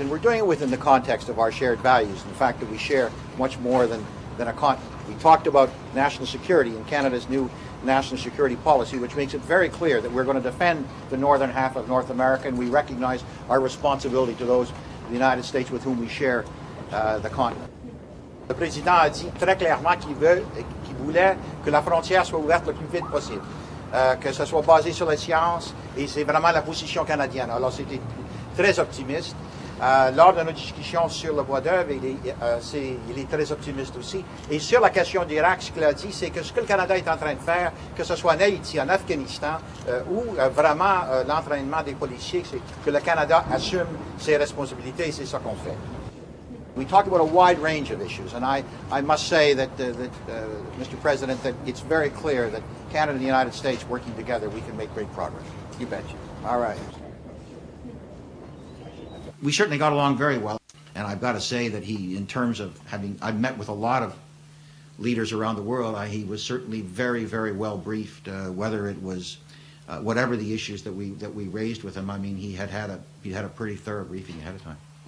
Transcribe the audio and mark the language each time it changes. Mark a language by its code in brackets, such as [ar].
[en] And we're doing it within the context of our shared values, and the fact that we share much more than a continent. We talked about national security and Canada's new national security policy, which makes it very clear that we're going to defend the northern half of North America, and we recognize our responsibility to those in the United States with whom we share the continent. [fr] Le président a dit très clairement qu'il voulait que la frontière soit ouverte le plus vite possible, que ce soit basé sur la science, et c'est vraiment la position canadienne. Alors c'était très optimiste. Lors de notre discussion sur le bois d'œuvre, il est très optimiste aussi. Et sur la question d'Irak, ce qu'il a dit, c'est que ce que le Canada est en train de faire, que ce soit en Haïti, en Afghanistan, ou vraiment l'entraînement des policiers, c'est que le Canada assume ses responsabilités, et c'est ça qu'on fait. [en] We talk about a wide range of issues, and I must say that Mr. President, that it's very clear that Canada and the United States working together, we can make great progress. You betcha. All right. We certainly got along very well, and I've got to say that he, in terms of having, I've met with a lot of leaders around the world, he was certainly very, very well briefed, whether it was whatever the issues that we raised with him. I mean, he had a pretty thorough briefing ahead of time.